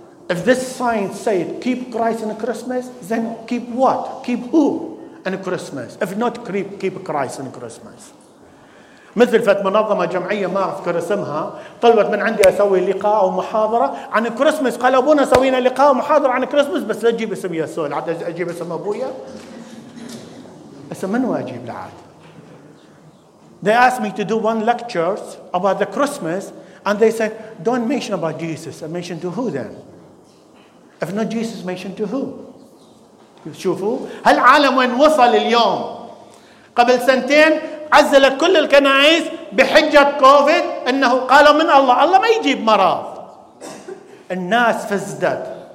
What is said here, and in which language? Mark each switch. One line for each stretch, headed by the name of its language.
English: If this sign said keep Christ and Christmas, then keep what? Keep who? And Christmas. If not keep, keep Christ and Christmas.
Arabic: مثل فت منظمة جمعية ما أذكر اسمها طلبت من عندي أسوي لقاء أو محاضرة عن كريسمس. قال أبونا سوينا لقاء ومحاضرة عن كريسمس بس لا أجيب اسم يسوع. عاد أجيب اسم أبويا. اسم من واجيب لعاد.
English: They asked me to do one lectures about the Christmas and they said don't mention about Jesus. I mention to who then? If not Jesus, mention to who?
Arabic: شوفوا هالعالم وين وصل اليوم. قبل سنتين عزلت كل الكنائس بحجة كوفيد انه قالوا من الله. الله ما يجيب مرض. الناس فزدت.